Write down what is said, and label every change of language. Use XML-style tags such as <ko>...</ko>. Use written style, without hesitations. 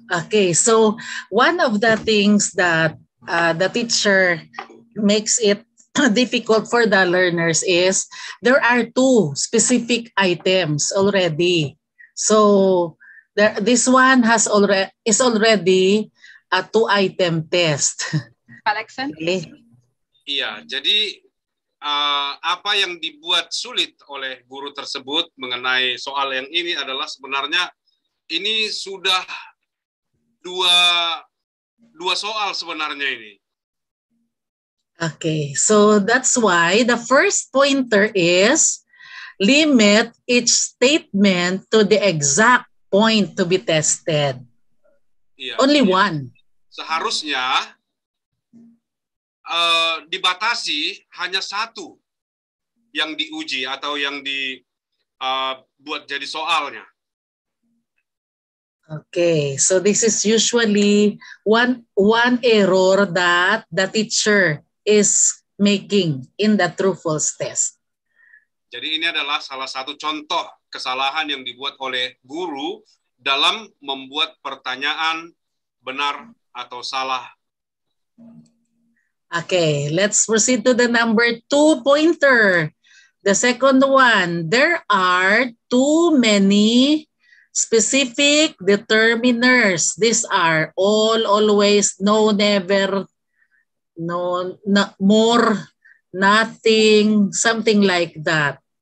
<en>Okay, so one of the things that the teacher makes it difficult for the learners is there are two specific items already. So there, this one has already is already a two-item test. Collection? Okay.</en> <id>Iya, jadi apa yang dibuat sulit oleh guru tersebut mengenai soal yang ini adalah sebenarnya ini sudah dua soal sebenarnya ini.</id> <en>Okay, so that's why the first pointer is limit each statement to the exact point to be tested.</en> <id>Iya.</id> <en>Only iya. One.</en> <id>Seharusnya dibatasi hanya satu yang diuji atau yang dibuat jadi soalnya.</id> <en>Okay, so this is usually one error that the teacher is making in the true-false test.</en> <id>Jadi ini adalah salah satu contoh kesalahan yang dibuat oleh guru dalam membuat pertanyaan benar atau salah.</id> <en>Okay, let's proceed to the number two pointer. The second one, there are too many specific determiners. These are all, always, no, never, no, no, more, nothing, something like that.</en>